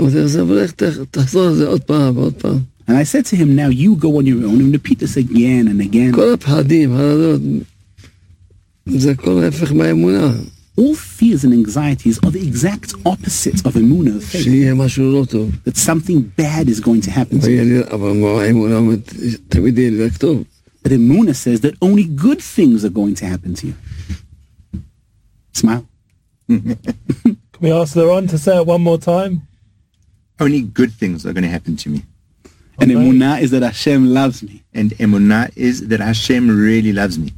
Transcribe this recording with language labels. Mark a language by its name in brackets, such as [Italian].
[Hebrew] הוא אומר, תחזור על זה עוד פעם ועוד פעם. [English] And I said to him, now you go on your own and repeat this again and again. [Hebrew] כל הפחדים, הרדות, זה כל ההפך מהאמונה. [English] All fears and anxieties are the exact opposite of emuna, of faith. [Hebrew] שיהיה משהו לא טוב. [English] That something bad is going to happen to you. [Hebrew] אבל האמונה אומרת, תמיד יהיה לי רק טוב. [English] But Emuna says that only good things are going to happen to you. Smile. Can we ask Liron to say it one more time? Only good things are going to happen to me. Okay. And Emuna is that Hashem loves me. And Emuna is that Hashem really loves me.